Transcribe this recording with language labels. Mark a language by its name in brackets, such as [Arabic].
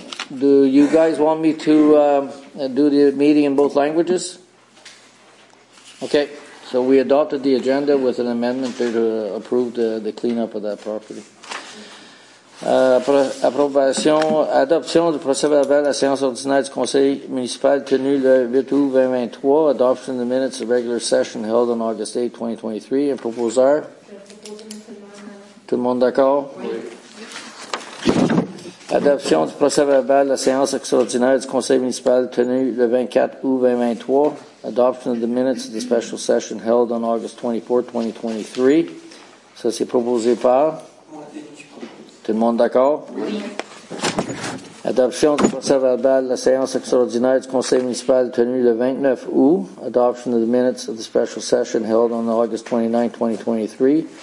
[English] Do you guys want me to do the meeting in both languages? OK. So we adopted the agenda with an amendment to approve the cleanup of that property. [French] Adoption du procès-verbal à la séance ordinaire du conseil municipal tenue le 8 août 2023. [English] Adoption of the minutes of regular session held on August 8, 2023. [French] Un proposeur? Je propose. Tout le monde d'accord? Oui. Adoption du procès-verbal à la séance extraordinaire du conseil municipal tenue le 24 août 2023. [English] Adoption of the minutes of the special session held on August 24, 2023. [French] Ça, c'est proposé par? Tout le monde d'accord? Oui. Adoption du procès-verbal de la séance extraordinaire du conseil municipal tenue le 29 août. [English] Adoption of the minutes of the special session held on August 29, 2023.